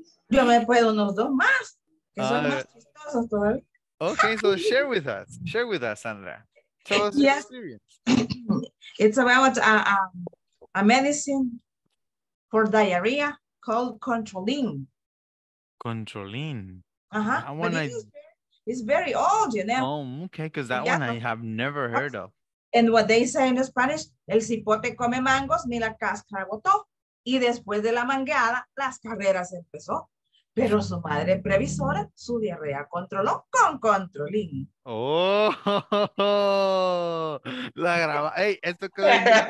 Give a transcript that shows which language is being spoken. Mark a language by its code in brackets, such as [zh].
[es] Yo me puedo unos dos más, que son más chistosos todavía. [en] Okay, so share with us, Sandra. Tell us your experience. It's about a medicine for diarrhea called controlin. Controlin. Uh-huh. It's very old, you know. Oh, okay, because that one I have never heard of. And what they say in Spanish, [es] el cipote come mangos, ni la cáscara botó. Y después de la mangueada, las carreras empezó. Pero su madre previsora, su diarrea controló con controlín. ¡Oh! La graba. ¡Ey! Esto quedó bien.